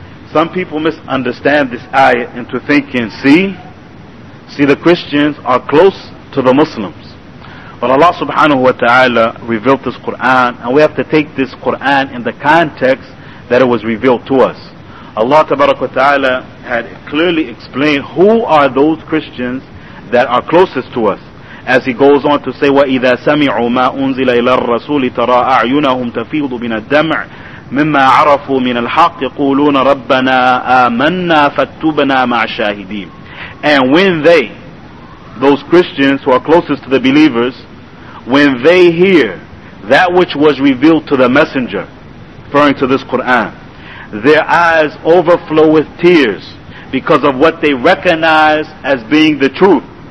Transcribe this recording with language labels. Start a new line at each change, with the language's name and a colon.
English: Some people misunderstand this ayah into thinking, see the Christians are close to the Muslims. But Allah subhanahu wa ta'ala revealed this Quran, and we have to take this Quran in the context that it was revealed to us. Allah tabarak wa ta'ala had clearly explained who are those Christians that are closest to us. As He goes on to say,
Arabic: وَإِذَا سَمِعُوا مَا أُنزِلَ إِلَى الرَّسُولِ تَرَى أَعْيُنَهُمْ تَفِيضُ مِنَ الدَّمْعِ مِمَّا عَرَفُوا مِنَ الْحَقِّ يَقُولُونَ رَبَّنَا آمَنَّا فَاكْتُبْنَا مَعَ الشَّاهِدِينَ.
English: And when they, those Christians who are closest to the believers, when they hear that which was revealed to the Messenger, referring to this Quran, their eyes overflow with tears because of what they recognize as being the truth.